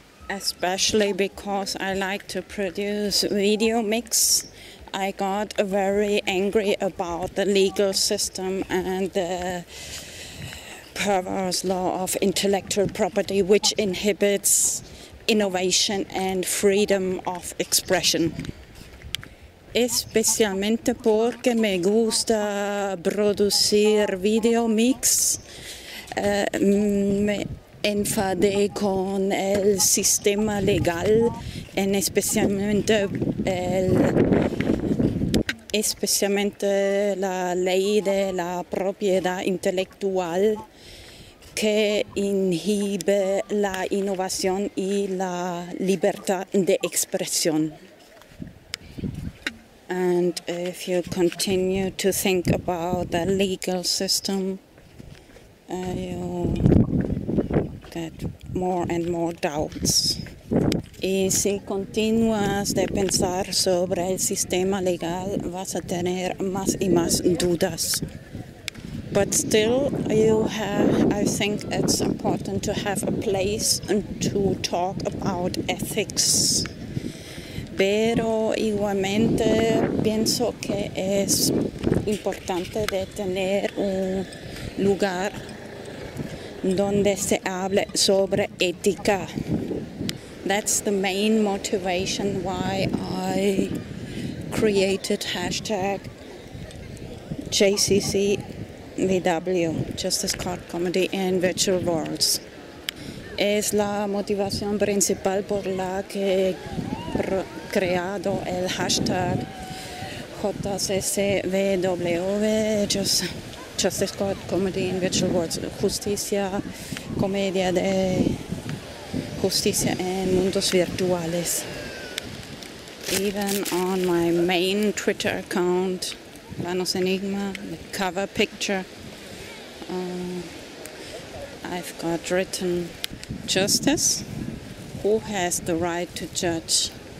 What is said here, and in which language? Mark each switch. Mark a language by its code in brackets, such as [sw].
[en] Especially because I like to produce video mix, I got very angry about the legal system and the perverse law of intellectual property, which inhibits innovation and freedom of expression. [es] Especialmente porque me gusta producir video mix, me enfadé con el sistema legal, en especialmente la ley de la propiedad intelectual que inhibe la innovación y la libertad de expresión. [en] And if you continue to think about the legal system, you get more and more doubts. [es] Y si continúas de pensar sobre el sistema legal, vas a tener más y más dudas. [en] But still, I think it's important to have a place to talk about ethics. [es] Pero igualmente pienso que es importante de tener un lugar donde se hable sobre ética. [en] That's the main motivation why I created hashtag JCCVW, Justice Card Comedy in Virtual Worlds. [es] Es la motivación principal por la que creado el hashtag JCCVW, Justice Card Comedy in Virtual Worlds, Justicia, Comedia de Justicia en Mundos Virtuales. [en] Even on my main Twitter account, Planos Enigma, the cover picture, I've got written Justice, who has the right to judge?